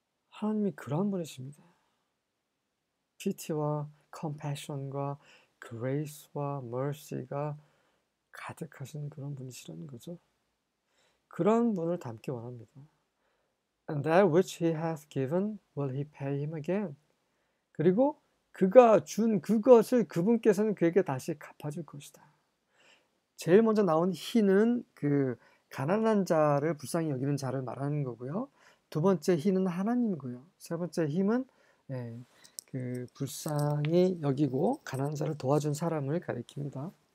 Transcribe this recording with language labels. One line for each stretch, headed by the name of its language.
Korean: 하나님이 그러한 분이십니다. Pity와 compassion과 grace와 mercy가 가득하신 그런 분이시라는 거죠. 그런 분을 닮기 원합니다.
English: And that which he hath given, will he pay him again? 그리고
Korean: 그가 준 그것을 그분께서는 그에게 다시 갚아줄 것이다. 제일 먼저 나온 희는 그 가난한 자를 불쌍히 여기는 자를 말하는 거고요. 두 번째 희는 하나님이고요. 세 번째 힘은 예, 그 불쌍히 여기고 가난한 자를 도와준 사람을 가리킵니다.